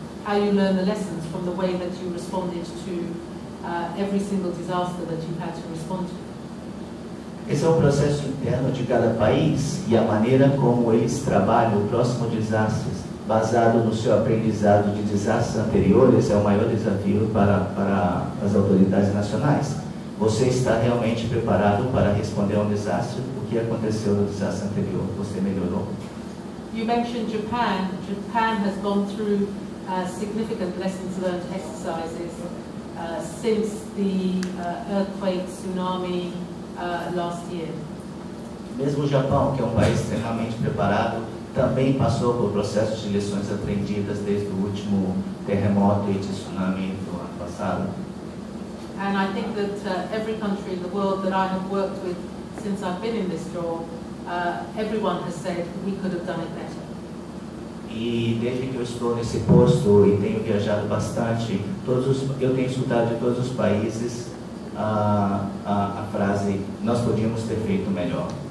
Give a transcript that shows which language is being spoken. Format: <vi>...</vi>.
<en>How you learn the lessons from the way that you responded to every single disaster that you had to respond to.</en> <pt>Esse é o processo interno de cada país e a maneira como eles trabalham o próximo desastre, baseado no seu aprendizado de desastres anteriores, é o maior desafio para as autoridades nacionais. Você está realmente preparado para responder a um desastre? Que aconteceu no desastre anterior, você melhorou?</pt> <en>You mentioned Japan. Japan has gone through significant lessons learned exercises since the earthquake tsunami last year.</en> <pt>Mesmo o Japão, que é um país extremamente preparado, também passou por processos de lições aprendidas desde o último terremoto e de tsunami do ano passado.</pt> <en>And I think that every country in the world that I have worked with since I've been in this job, everyone has said we could have done it better.</en> <pt>E desde que eu estou nesse posto e tenho viajado bastante, eu tenho escutado de todos os países a frase nós podíamos ter feito melhor.</pt>